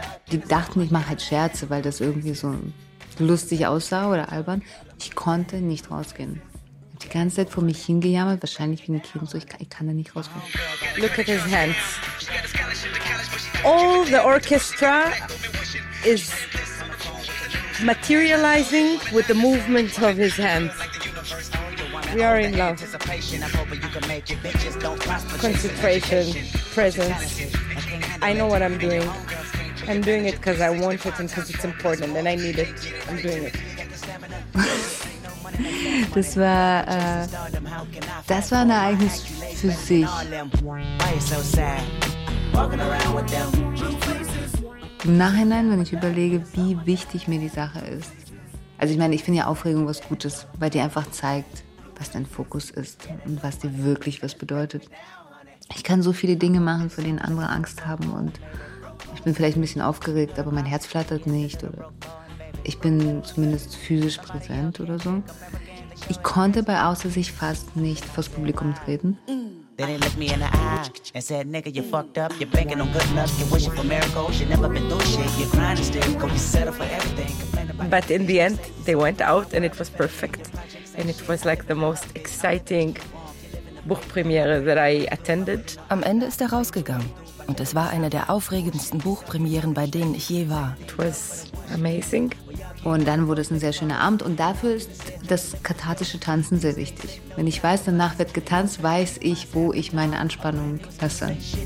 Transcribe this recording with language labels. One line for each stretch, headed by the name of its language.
German: Die dachten, ich mache halt Scherze, weil das irgendwie so lustig aussah oder albern. Ich konnte nicht rausgehen. Ich habe die ganze Zeit vor mich hingejammert, wahrscheinlich wie ein Kind, so ich kann da nicht rausgehen.
English: Look at his hands. All the orchestra is materializing with the movement of his hands. We are in love. Concentration, presence. I know what I'm doing. I'm doing it because I want it and because it's important and I need it. I'm doing it.
German: Das war ein Ereignis für sich. Im Nachhinein, wenn ich überlege, wie wichtig mir die Sache ist. Also ich meine, ich finde ja Aufregung was Gutes, weil die einfach zeigt, was dein Fokus ist und was dir wirklich was bedeutet. Ich kann so viele Dinge machen, vor denen andere Angst haben und ich bin vielleicht ein bisschen aufgeregt, aber mein Herz flattert nicht oder ich bin zumindest physisch präsent oder so. Ich konnte bei Außer sich fast nicht vors Publikum treten.
English: They didn't look me in the eye and said, nigga, you fucked up. You're banking on good luck. You're wishing for miracles. You never been through shit. You're crying still. Go, you settle for everything. But in the end, they went out and it was perfect. And it was like the most exciting Buchpremiere that I attended.
German: Am Ende ist er rausgegangen. Und es war eine der aufregendsten Buchpremieren, bei denen ich je war.
English: It was amazing.
German: Und dann wurde es ein sehr schöner Abend. Und dafür ist das kathartische Tanzen sehr wichtig. Wenn ich weiß, danach wird getanzt, weiß ich, wo ich meine Anspannung lasse.